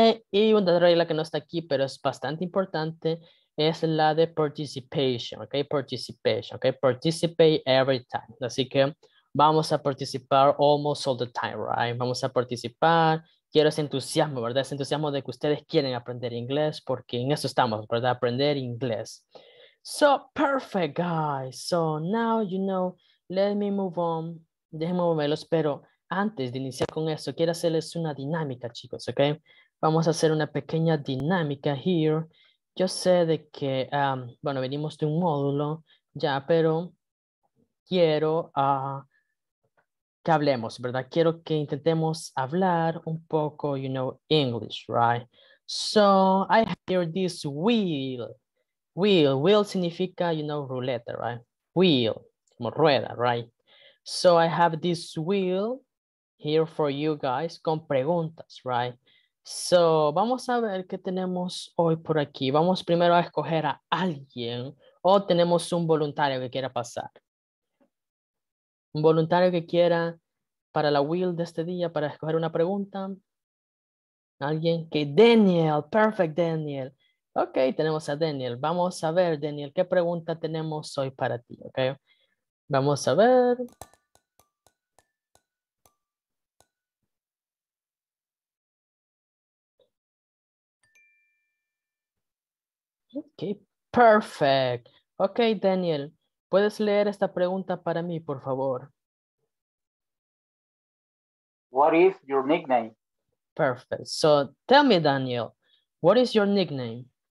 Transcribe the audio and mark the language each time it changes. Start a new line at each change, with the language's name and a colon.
Spanish: Y una regla que no está aquí, pero es bastante importante, es la de
English: participation,
Spanish: ¿ok?
English: Participation, ¿ok? Participate every time.
Spanish: Así que vamos a participar
English: almost all the time, right?
Spanish: Vamos a participar. Quiero ese entusiasmo, ¿verdad? Ese entusiasmo de que ustedes quieren aprender inglés, porque en eso estamos, ¿verdad? Aprender inglés.
English: So, perfect, guys. So, now, you know, let me move on.
Spanish: Déjenme moverlos, pero antes de iniciar con eso, quiero hacerles una dinámica, chicos, ¿ok? Vamos a hacer una pequeña dinámica
English: here.
Spanish: Yo sé de que, bueno, venimos de un módulo ya, pero quiero que hablemos, ¿verdad? Quiero que intentemos hablar un poco,
English: you know, English, right? So, I hear this wheel. Wheel. Wheel
Spanish: significa,
English: you know,
Spanish: ruleta,
English: right? Wheel.
Spanish: Como rueda,
English: right? So, I have this wheel here for you guys
Spanish: con preguntas,
English: right?
Spanish: So, vamos a ver qué tenemos hoy por aquí. Vamos primero a escoger a alguien o tenemos un voluntario que quiera pasar. Un voluntario que quiera para la wheel de este día para escoger una pregunta. Alguien que Daniel, perfect Daniel. Ok, tenemos a Daniel. Vamos a ver, Daniel, qué pregunta tenemos hoy para ti. Ok, vamos a ver. Ok, perfect. Ok, Daniel, puedes leer esta pregunta para mí, por favor.
English: What is your nickname? Perfect. So tell me, Daniel, what is your nickname?